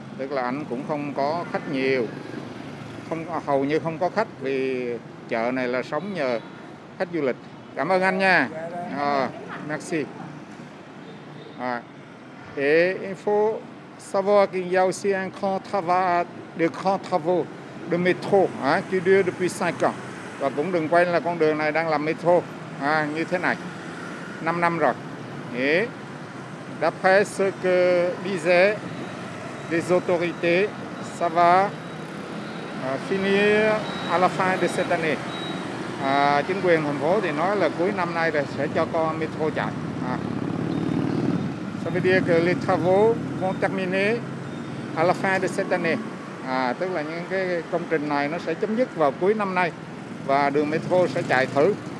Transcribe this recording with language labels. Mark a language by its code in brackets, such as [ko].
[vi] Tức là anh cũng không có khách nhiều, không, hầu như không có khách vì chợ này là sống nhờ khách du lịch. Cảm ơn anh nha. Merci. [fr] Il faut savoir qu'il y a aussi un grand travail, de grands travaux de métro qui dure depuis 5 ans. [vi] Và cũng đừng quên là con đường này đang làm métro như thế này 5 năm rồi. [fr] D'après ce que disaient les autorités, ça va finir à la fin de cette année. [vi] Chính quyền thành phố thì nói là cuối năm nay là sẽ cho con métro chạy. [fr] Ça veut dire que les travaux vont terminer à la fin de cette année. [vi] Tức là những cái công trình này nó sẽ chấm dứt vào cuối năm nay và đường métro sẽ chạy thử.